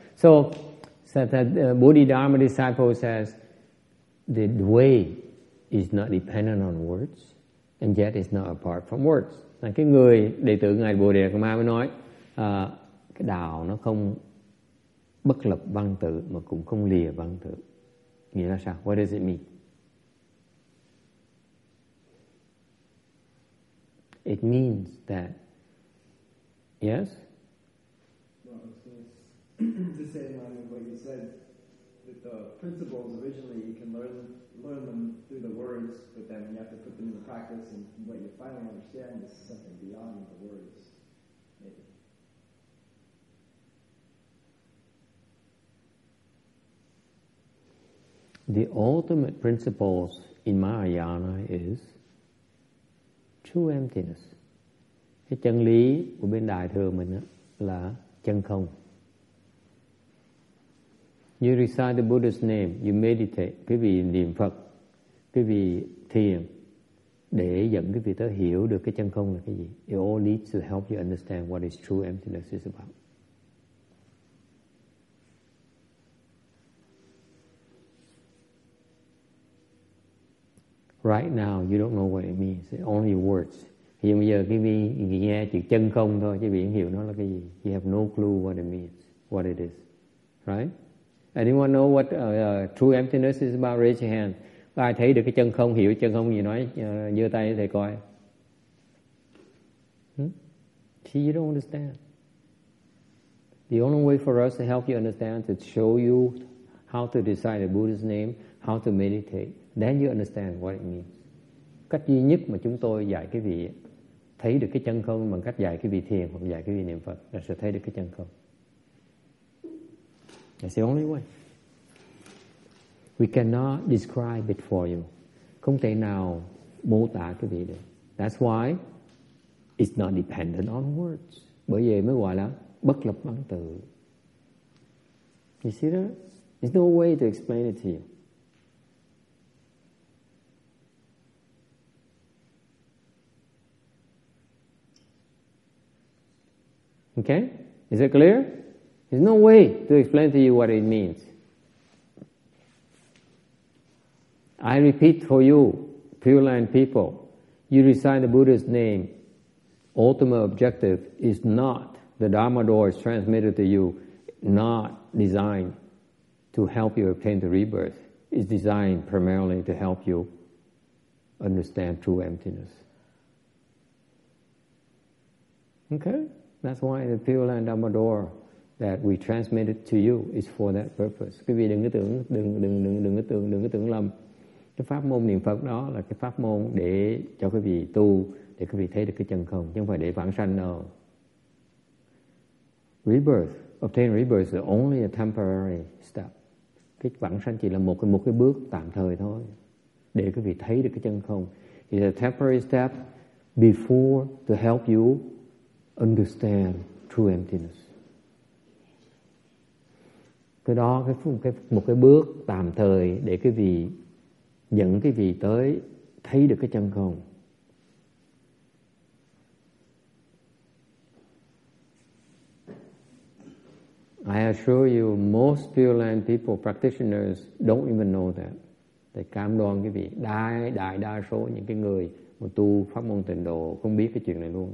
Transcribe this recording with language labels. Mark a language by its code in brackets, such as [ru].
[en] So, Bodhidharma disciple says the way is not dependent on words. And yet it's not apart from words. [vi] Là cái người đệ tử ngài Bồ Đề Ma mới nói cái đạo nó không bất lập văn tự mà cũng không lìa văn tự. Nghĩa là sao? [en] What does it mean? It means that yes? No, to say in line with what you said that the principles originally you can learn them through the words, but then you have to put them into practice, and what you finally understand is something beyond the words. Maybe. The ultimate principles in Mahayana is true emptiness. [vi] Cái chân lý của bên đại thừa mình là chân không. [en] You recite the Buddha's name, you meditate, [vi] quý vị niệm Phật, quý vị thiền để dẫn quý vị tới hiểu được cái chân không là cái gì. [en] It all needs to help you understand what is true emptiness is about. Right now, you don't know what it means. It's only words. [vi] Hiện bây giờ quý vị nghe chữ chân không thôi, chứ quý vị không hiểu nó là cái gì. [en] You have no clue what it means, what it is. Right? Anyone know what true emptiness is about? Raise your hand. [vi] Ai thấy được cái chân không, hiểu chân không gì nói, giơ tay thầy coi. [en] See, you don't understand. The only way for us to help you understand is to show you how to decide the Buddha's name, how to meditate. Then you understand what it means. [vi] Cách duy nhất mà chúng tôi dạy cái vị thấy được cái chân không bằng cách dạy cái vị thiền hoặc dạy cái vị niệm Phật là sẽ thấy được cái chân không. [en] That's the only way. We cannot describe it for you. [vi] Không thể nào mô tả cái vị được. [en] That's why it's not dependent on words. [vi] Bởi vậy mới gọi là bất lập văn từ. [en] You see that? There's no way to explain it to you. Okay? Is it clear? There's no way to explain to you what it means. I repeat for you, Pure Land people, you recite the Buddha's name, ultimate objective is not the Dharma door is transmitted to you, not designed to help you obtain the rebirth. It's designed primarily to help you understand true emptiness. Okay? That's why the Pure Land Dharma door that we transmitted to you is for that purpose. [vi] Quý vị đừng có tưởng, đừng có tưởng lầm. Cái pháp môn niệm Phật đó là cái pháp môn để cho quý vị tu, để quý vị thấy được cái chân không, chứ không phải để vãng sanh đâu. [en] Rebirth, obtain rebirth is only a temporary step. [vi] Cái vãng sanh chỉ là một cái bước tạm thời thôi, để quý vị thấy được cái chân không. [en] It's a temporary step before to help you understand true emptiness. [vi] Cái đó cái một cái bước tạm thời để quý vị dẫn quý vị tới thấy được cái chân không. [en] I assure you, most Pure Land people, practitioners, don't even know that. [vi] Tại cam đoan quý vị, đại đa số những cái người mà tu pháp môn tịnh độ không biết cái chuyện này luôn.